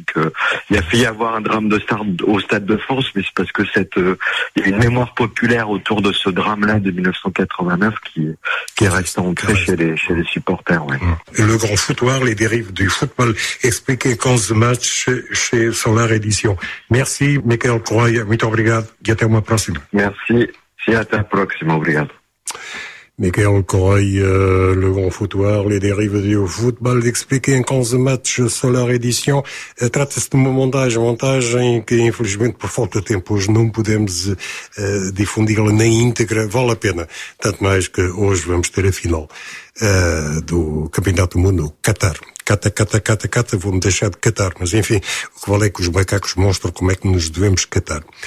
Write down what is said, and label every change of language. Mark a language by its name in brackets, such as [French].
[French] Donc il a failli avoir un drame de star au Stade de France, mais c'est parce que il y a une mémoire populaire autour de ce drame-là de 1989 qui reste ancrée chez les supporters. Ouais. Le grand foutoir, les dérives du football, expliqué 15 matchs chez Solar Edition. Merci, [Portuguese] Michael Croy, muito obrigado, y até uma próxima. [French] Merci, et à la prochaine, [Portuguese] obrigado. [French] Michael Croy, le grand foutoir, les dérives du football, d'expliquer en 15 matchs Solar Edition. [Portuguese] Trata-se de uma montagem que, infelizmente, por falta de tempo, hoje não podemos difundi-la na íntegra. Vale a pena, tanto mais que hoje vamos ter a final do Campeonato do Mundo, Qatar. Cata, vou-me deixar de catar, mas enfim, o que vale é que os macacos mostram como é que nos devemos catar.